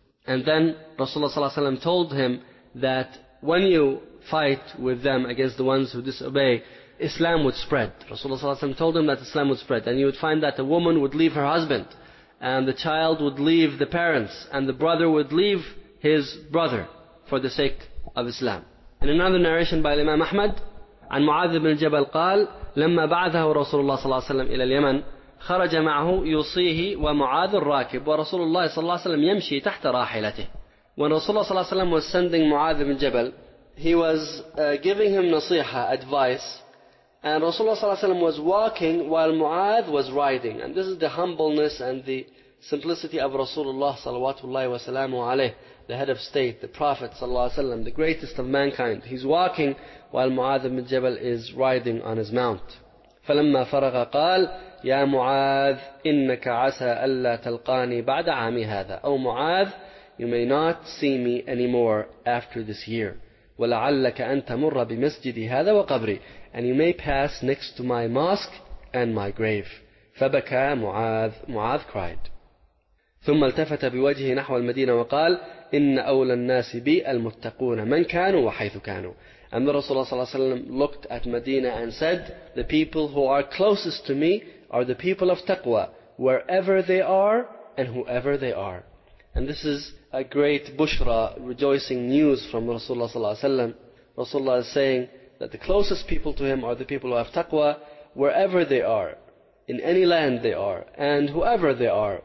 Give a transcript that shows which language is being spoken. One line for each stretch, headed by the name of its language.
English: And then Rasulullah ﷺ told him that when you fight with them against the ones who disobey, Islam would spread. Rasulullah ﷺ told him that Islam would spread, and you would find that a woman would leave her husband, and the child would leave the parents, and the brother would leave his brother for the sake of Islam. In another narration by Imam Ahmad,
Arabic: عن معاذ بن جبل قال لما بعثه رسول الله صلى الله عليه وسلم إلى اليمن خرج معه يصيه ومعاذ الراكب ورسول الله صلى الله عليه وسلم يمشي تحت راحلته.
English: When Rasulullah صلى الله عليه وسلم was sending معاذ بن جبل, he was giving him nasiha, advice, and Rasulullah صلى الله عليه وسلم was walking while معاذ was riding. And this is the humbleness and the simplicity of Rasulullah صلى الله عليه وسلم, the head of state, the Prophet صلى الله عليه وسلم, the greatest of mankind. He's walking while Mu'adh ibn Jabal is riding on his mount.
Arabic: فَلَمَّا فَرَغَ قَالْ يَا مُعَاذْ إِنَّكَ عَسَىٰ أَلَّا تَلْقَانِي بَعْدَ عَامِي هَذَا.
English: Oh Mu'adh, you may not see me anymore after this year.
Arabic: وَلَعَلَّكَ أَن تَمُرَّ بِمَسْجِدِي هَذَا وَقَبْرِي.
English: And you may pass next to my mosque and my grave.
Arabic: فَبَكَى مُعَاذْ.
English: Mu'adh cried.
Arabic: ثم التفت بوجهه نحو المدينة وقال إن أولى الناس بي المتقون من كانوا وحيث كانوا.
English: And Rasulullah صلى الله عليه وسلم looked at Medina and said, the people who are closest to me are the people of taqwa, wherever they are and whoever they are. And this is a great bushra, rejoicing news from Rasulullah صلى الله عليه وسلم. Rasulullah is saying that the closest people to him are the people who have taqwa, wherever they are, in any land they are, and whoever they are.